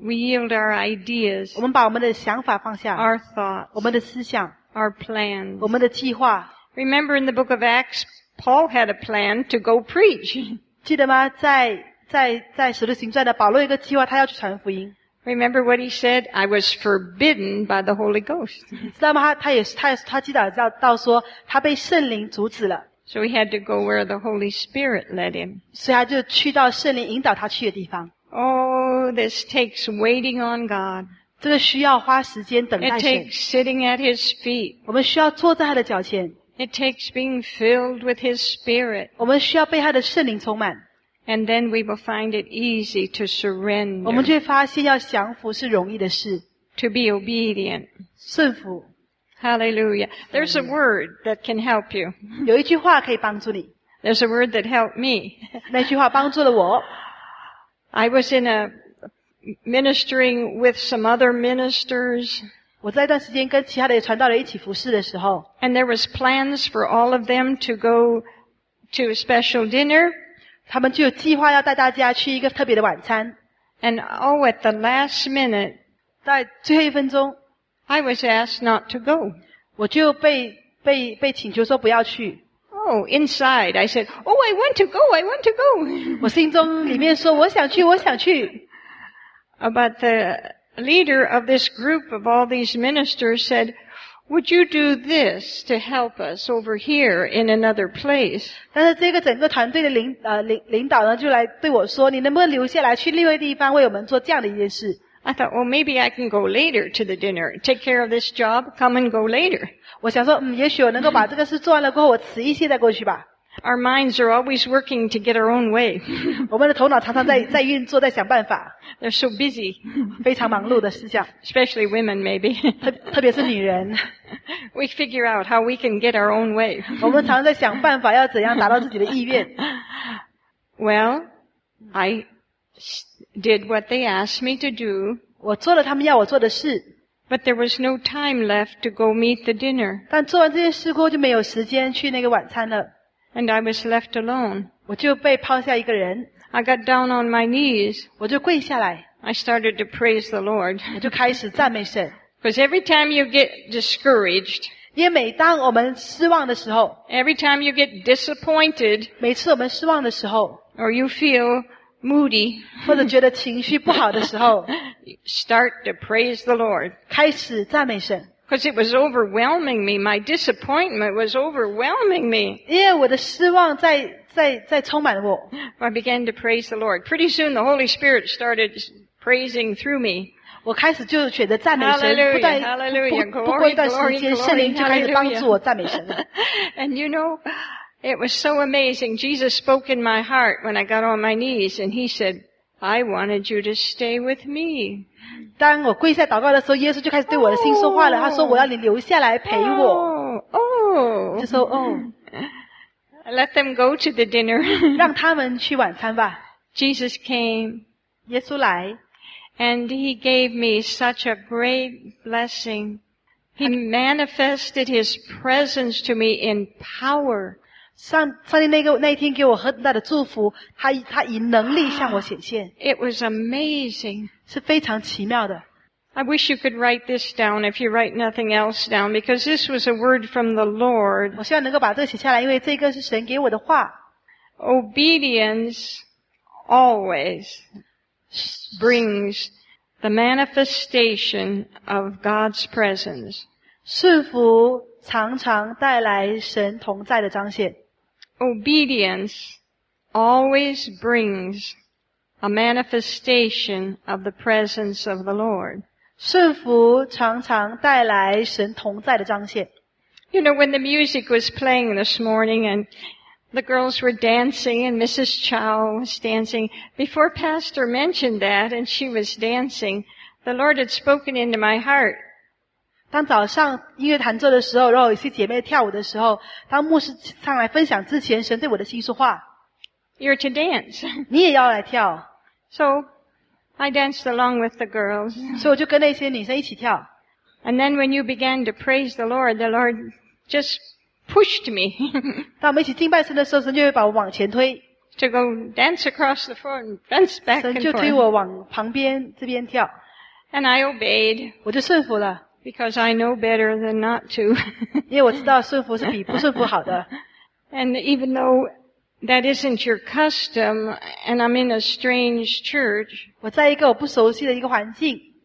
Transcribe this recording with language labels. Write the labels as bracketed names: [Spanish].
[English] We yield our ideas. [Chinese] 我们把我们的想法放下。 [English] Our thoughts. [Chinese] 我们的思想。 [English] Our plans. [Chinese] 我们的计划。 [English] Remember in the book of Acts, Paul had a plan to go preach. [Chinese] 记得吗？在使徒行传的保罗有一个计划，他要去传福音。 [English] Remember what he said? I was forbidden by the Holy Ghost. [Chinese] 知道吗？他记得到说他被圣灵阻止了。 [English] So he had to go where the Holy Spirit led him. [Chinese] 所以他就去到圣灵引导他去的地方。 [English] Oh, this takes waiting on God. [Chinese] 这个需要花时间等待神。 [English] It takes sitting at His feet. [Chinese] 我们需要坐在他的脚前。 [English] It takes being filled with His Spirit. [Chinese] 我们需要被他的圣灵充满。 [English] And then we will find it easy to surrender. [Chinese] 我们就会发现要降服是容易的事。 [English] To be obedient. [Chinese] 顺服。 [English] Hallelujah. There's a word that can help you. [Chinese] 有一句话可以帮助你。 [English] There's a word that helped me. [Chinese] 那句话帮助了我。 [English] I was in a ministering with some other ministers. [Chinese] 我在一段时间跟其他的传道人一起服事的时候。 [English] And there was plans for all of them to go to a special dinner. [Chinese] 他们就有计划要带大家去一个特别的晚餐。 [English] And oh, at the last minute, [Chinese] 在最后一分钟 [English] ，I was asked not to go. [Chinese] 我就被请求说不要去。 [English] Oh, inside, I said, "Oh, I want to go. I want to go." [Chinese] 我心中里面说我想去，我想去。 [English] But the leader of this group of all these ministers said, "Would you do this to help us over here in another place?" [Chinese] 但是这个整个团队的领导呢，就来对我说，你能不能留下来去另外地方为我们做这样的一件事？ [English] I thought, well, maybe I can go later to the dinner. Take care of this job. Come and go later. [Chinese] 我想说，也许我能够把这个事做完了过后，我迟一些再过去吧。 [English] Our minds are always working to get our own way. [Chinese] 我们的头脑常常在运作，在想办法。 [English] They're so busy. [Chinese] 非常忙碌的事项。 [English] Especially women, maybe. [Chinese] 特别是女人。 [English] We figure out how we can get our own way. [Chinese] 我们常常在想办法，要怎样达到自己的意愿。 [English] Well, I did what they asked me to do. [Chinese] 我做了他们要我做的事。 [English] But there was no time left to go meet the dinner. [Chinese] 但做完这件事过后就没有时间去那个晚餐了。 [English] And I was left alone. [Chinese] 我就被抛下一个人。 [English] I got down on my knees. [Chinese] 我就跪下来。 [English] I started to praise the Lord. [Chinese] 我就开始赞美神。 [English] Because every time you get discouraged, [Chinese] 因为每当我们失望的时候， [English] every time you get disappointed, [Chinese] 每次我们失望的时候， [English] or you feel moody, [Chinese] 或者觉得情绪不好的时候， [English] start to praise the Lord. [Chinese] 开始赞美神。 [English] Because it was overwhelming me. My disappointment was overwhelming me. [Chinese] 因为我的失望在充满我。 [English] I began to praise the Lord. Pretty soon the Holy Spirit started praising through me. [Chinese] 我开始就选择赞美神。 [English] Hallelujah, [Chinese] 不过一段时间圣灵就开始帮助我赞美神了。 [English] And you know,It was so amazing. Jesus spoke in my heart when I got on my knees and he said, I wanted you to stay with me. [Chinese] 当我跪下祷告的时候，耶稣就开始对我的心说话了。他说我要你留下来陪我。就说 [English] Let them go to the dinner. [Chinese] 让他们去晚餐吧。 [English] Jesus came. [Chinese] 耶稣来。 [English] And he gave me such a great blessing. He manifested his presence to me in power. [Chinese] 上帝那一天给我很大的祝福，他以能力向我显现。 [English] It was amazing. [Chinese] 是非常奇妙的。 [English] I wish you could write this down if you write nothing else down, because this was a word from the Lord. [Chinese] 我希望能够把这个写下来，因为这个是神给我的话。 [English] Obedience always brings the manifestation of God's presence. [Chinese] 顺服常常带来神同在的彰显。 [English] Obedience always brings a manifestation of the presence of the Lord. [Chinese] 顺服常常带来神同在的彰显。 [English] You know, when the music was playing this morning and the girls were dancing and Mrs. Chow was dancing, before Pastor mentioned that and she was dancing, the Lord had spoken into my heart. [Chinese] 当早上音乐弹奏的时候，然后有些姐妹跳舞的时候，当牧师上来分享之前，神对我的心说话。 [English] You're to dance. [Chinese] 你也要来跳。 [English] So, I danced along with the girls. [Chinese] 所以我就跟那些女生一起跳。 [English] And then when you began to praise the Lord just pushed me. [Chinese] 当我们一起敬拜神的时候，神就会把我往前推。 [English] To go dance across the floor and dance back and forth. [Chinese] 神就推我往旁边这边跳。 [English] And I obeyed. [Chinese] 我就顺服了。 [English] Because I know better than not to. [Chinese] 因为我知道顺服是比不顺服好的。 [English] And even though that isn't your custom, and I'm in a strange church, [Chinese] 我在一个我不熟悉的一个环境。